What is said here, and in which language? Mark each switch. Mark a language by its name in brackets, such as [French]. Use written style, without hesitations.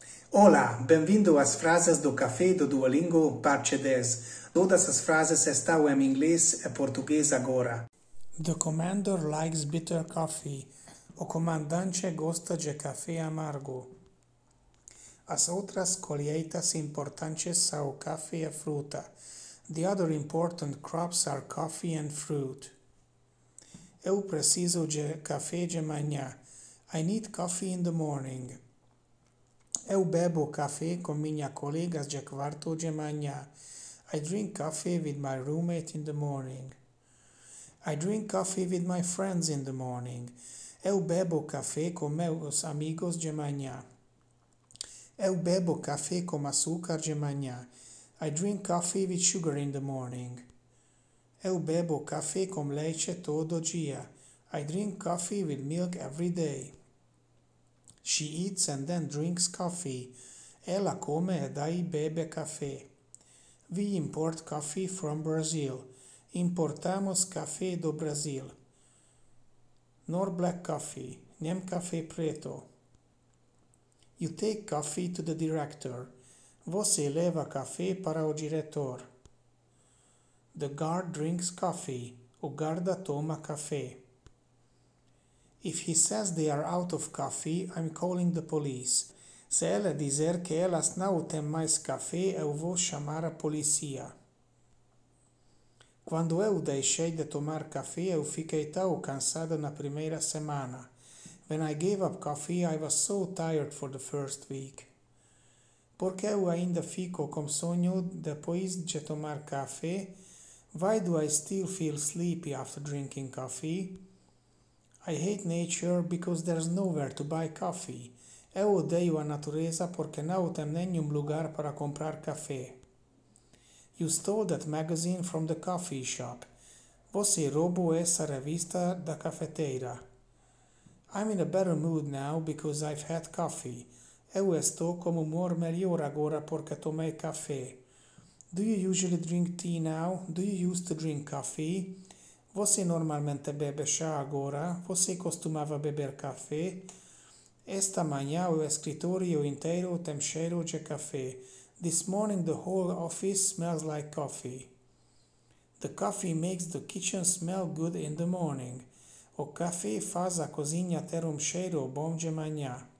[Portuguese] Olá, bem-vindo às frases do café do Duolingo Parte 10. Todas as frases estão em inglês e português agora. [English] The commander likes bitter coffee. [Portuguese] O comandante gosta de café amargo. As outras colheitas importantes são café e fruta. [English] The other important crops are coffee and fruit. [Portuguese] Eu preciso de café de manhã. [English] I need coffee in the morning. [Portuguese] Eu bebo café com minha colega de quarto de manhã. [English] I drink coffee with my roommate in the morning. I drink coffee with my friends in the morning. [Portuguese] Eu bebo café com meus amigos de manhã. Eu bebo café com açúcar de manhã. [English] I drink coffee with sugar in the morning. [Portuguese] Eu bebo café com leite todo dia. [English] I drink coffee with milk every day. She eats and then drinks coffee. [Portuguese] Ela come e daí bebe café. [English] We import coffee from Brazil. [Portuguese] Importamos café do Brasil. [English] Nor black coffee, [Portuguese] nem café preto. [English] You take coffee to the director. [Portuguese] Você leva café para o diretor. [English] The guard drinks coffee. [Portuguese] O guarda toma café. [English] If he says they are out of coffee, I'm calling the police. [Portuguese] Se ela dizer que elas não têm mais café, eu vou chamar a polícia. Quando eu deixei de tomar café, eu fiquei tão cansada na primeira semana. [English] When I gave up coffee, I was so tired for the first week. [Portuguese] Porque eu ainda fico com sono depois de tomar café? [English] Why do I still feel sleepy after drinking coffee? I hate nature because there's nowhere to buy coffee. [Portuguese] Eu odeio a natureza porque não tem nenhum lugar para comprar café. [English] You stole that magazine from the coffee shop. [Portuguese] Você roubou essa revista da cafeteira. [English] I'm in a better mood now because I've had coffee. [Portuguese] Eu estou com humor melhor agora porque tomei café. [English] Do you usually drink tea now? Do you used to drink coffee? [Portuguese] Você normalmente bebe chá agora? Você costumava beber café? Esta manhã o escritório inteiro tem cheiro de café. [English] This morning the whole office smells like coffee. The coffee makes the kitchen smell good in the morning. [Portuguese] O café faz a cozinha ter cheiro bom de manhã.